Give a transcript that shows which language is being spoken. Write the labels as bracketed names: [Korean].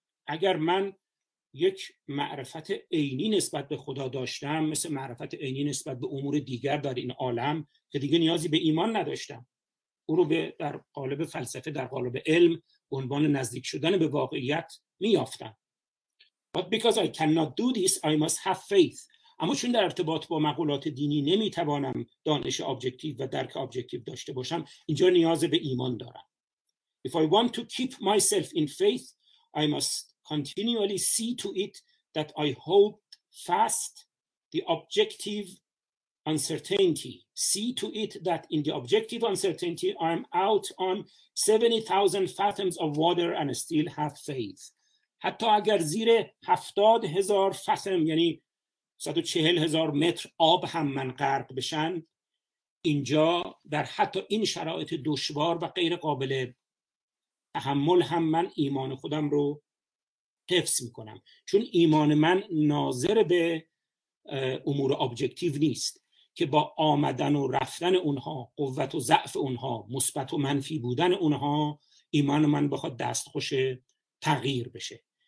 [Persian] اگر من یک معرفت عینی نسبت به خدا داشتم مثل معرفت عینی نسبت به امور دیگر در این عالم که دیگه نیازی به ایمان نداشتم، او رو به در قالب فلسفه در قالب علم عنوان نزدیک شدن به واقعیت میافتم. [English] But because I cannot do this, I must have faith. [Persian] اما چون در ارتباط با مقولات دینی نمیتوانم دانش ابجکتیو و درک ابجکتیو داشته باشم، اینجا نیاز به ایمان دارم. [English] If I want to keep myself in faith, I must continually see to it that I hold fast the objective uncertainty. See to it that in the objective uncertainty, I am out on 70,000 fathoms of water and still have faith. [Persian] حتی اگر زیر 70,000 فاتم یعنی 140,000 متر آب هم من غرق بشن، اینجا در حتی این شرایط دشوار و غیر قابل تحمل هم من ایمان خودم رو حفظ میکنم، چون ایمان من ناظر به امور ابجکتیو نیست که با آمدن و رفتن اونها، قوت و ضعف اونها، مثبت و منفی بودن اونها، ایمان من بخواد دستخوش تغییر بشه.